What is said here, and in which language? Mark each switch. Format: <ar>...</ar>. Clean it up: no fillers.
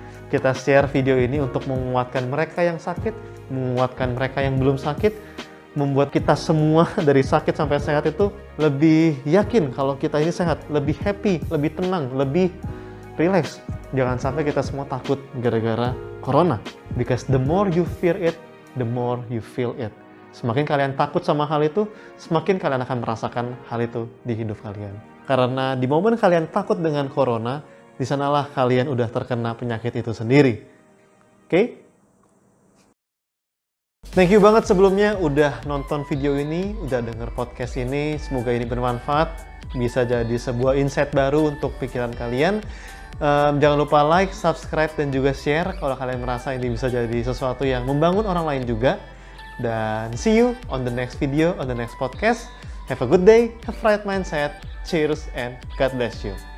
<id>Kita share video ini untuk menguatkan mereka yang sakit, menguatkan mereka yang belum sakit, membuat kita semua dari sakit sampai sehat itu lebih yakin kalau kita ini sehat, lebih happy, lebih tenang, lebih relax. Jangan sampai kita semua takut gara-gara corona.</id> <en>Because the more you fear it, the more you feel it.</en> <id>Semakin kalian takut sama hal itu, semakin kalian akan merasakan hal itu di hidup kalian. Karena di momen kalian takut dengan corona, disanalah kalian udah terkena penyakit itu sendiri. Oke? Okay?</id> <en>Thank you</en> <id>banget sebelumnya udah nonton video ini, udah denger podcast ini. Semoga ini bermanfaat, bisa jadi sebuah insight baru untuk pikiran kalian. Jangan lupa like, subscribe, dan juga share kalau kalian merasa ini bisa jadi sesuatu yang membangun orang lain juga.</id> <en>Dan see you on the next video, on the next podcast. Have a good day, have a right mindset. Cheers and God bless you.</en>